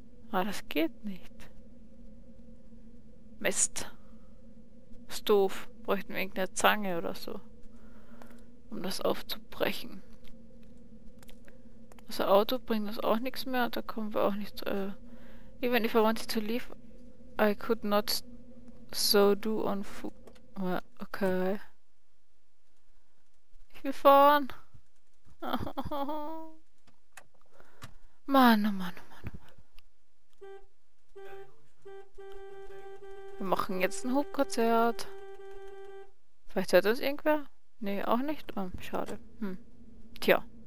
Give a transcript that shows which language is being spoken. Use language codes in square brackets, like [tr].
[de] Ah, das geht nicht. Mist. Ist doof. Bräuchten wir irgendeine Zange oder so, um das aufzubrechen. Das Auto bringt uns auch nichts mehr. Da kommen wir auch nicht. [en] Even if I wanted to leave, I could not so do on foot. Okay. [de] Ich will fahren. Mann, oh Mann, wir machen jetzt ein Hubkonzert. Vielleicht hört das irgendwer? Nee, auch nicht. Oh, schade. Tja.